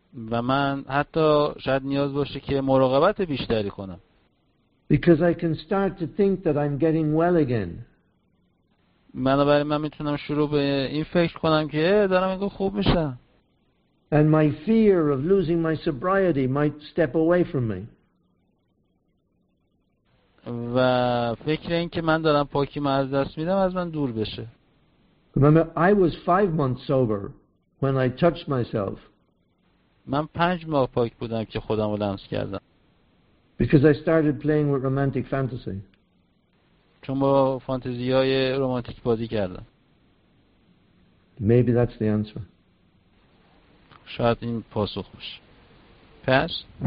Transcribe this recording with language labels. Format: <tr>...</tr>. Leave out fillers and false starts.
<fa>و من حتی شاید نیاز باشه که مراقبت بیشتری کنم.</fa> <en>Because I can start to think that I'm getting well again.</en> <fa>بنابراین من میتونم شروع به این فکر کنم که دارم اینو خوب میشم.</fa> <en>And my fear of losing my sobriety might step away from me.</en> <fa>و فکر این که من دارم پاکیمو از دست میدم از من دور بشه.</fa> <en>Remember, I was 5 months sober when I touched myself.</en> <fa>من 5 ماه پاک بودم که خودم رو لمس کردم.</fa> <en>Because I started playing with romantic fantasy.</en> <fa>چون با فانتزی های رومانتیک بازی کردم.</fa> <en>Maybe that's the answer.</en> <fa>شاید این پاسخ باشه. Pass.</fa>